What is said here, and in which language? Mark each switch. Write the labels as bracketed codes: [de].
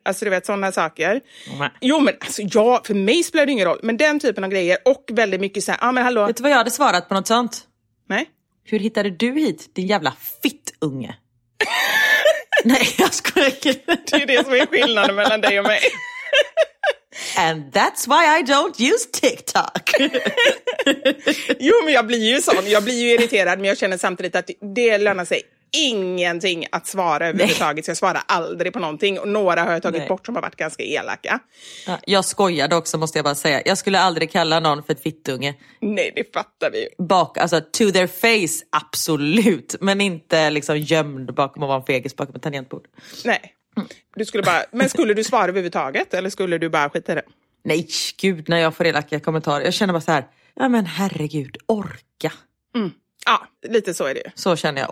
[sv] Alltså du vet, sådana saker. Jo, men alltså, ja, för mig spelar det ingen roll. Men den typen av grejer och väldigt mycket så här, men hallå. Vet du vad jag hade svarat på något sånt? Nej. Hur hittade du hit, din jävla fitt unge? Nej, jag skojar. Det är det som är skillnaden mellan dig och mig. [en] And that's why I don't use TikTok. [sv] Jo, men jag blir ju sån. Jag blir ju irriterad, men jag känner samtidigt att det lönar sig ingenting att svara överhuvudtaget. Så jag svarar aldrig på någonting. Och några har jag tagit bort som har varit ganska elaka. Jag skojade också, måste jag bara säga. Jag skulle aldrig kalla någon för ett fittunge. Nej, det fattar vi ju. Bak, alltså, [en] to their face, [sv] absolut. Men inte liksom gömd bakom att vara en fegis bakom ett tangentbord. Nej. Du skulle bara, men skulle du svara överhuvudtaget? Eller skulle du bara skita i det? Nej, gud, när jag får elaka kommentarer. Jag känner bara så här, ja men herregud, orka. Mm. Ja, lite så är det ju. Så känner jag.